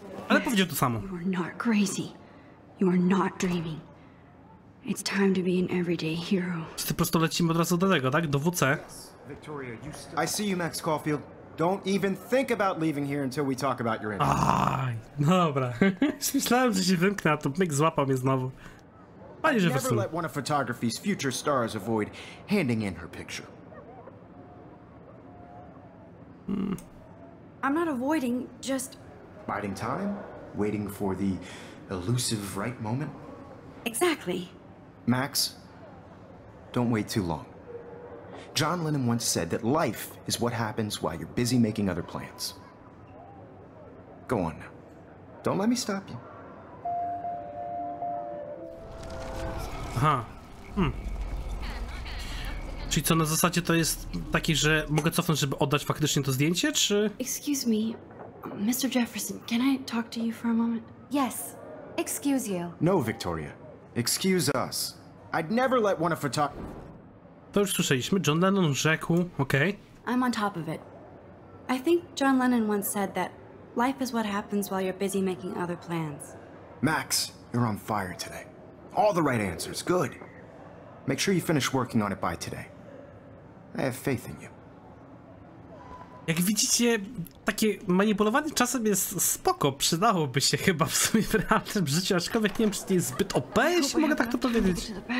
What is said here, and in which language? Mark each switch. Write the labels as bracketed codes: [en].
[pl] Ale powiedział to samo. [en] You are not crazy. You are not dreaming. It's time to be an everyday hero. [pl] Po prostu lecimy od razu do tego, tak? Do WC. [en] Victoria, you still... I see you, Max Caulfield. Don't even think about leaving here until we talk about your interview. [pl] Aj, dobra. Myślałem, że się wymknę, a to Mick złapał mnie znowu. Panie, że wysył. [en] I never let one of photography's future stars avoid handing in her picture. I'm not avoiding, just... Biding time? Waiting for the elusive right moment? Exactly. Max, don't wait too long. John Lennon once said that life is what happens while you're busy making other plans. Go on now. Don't let me stop you. Aha. [pl] Czyli co, na zasadzie to jest taki, że mogę cofnąć, żeby oddać faktycznie to zdjęcie, czy... [en] Excuse me, Mr. Jefferson, can I talk to you for a moment? Yes, excuse you. No, Victoria. Excuse us. I'd never let one of her talk... [pl] To już słyszeliśmy. John Lennon rzekł, okej. [en] Okay. I'm on top of it. I think John Lennon once said that life is what happens while you're busy making other plans. Max, you're on fire today. All the right answers, good. Make sure you finish working on it by today. I have faith in you. [pl] Jak widzicie, takie manipulowanie czasem jest spoko, przydałoby się chyba w sumie w realnym życiu, aczkolwiek nie wiem, czy to jest zbyt OP, jeśli mogę tak to powiedzieć.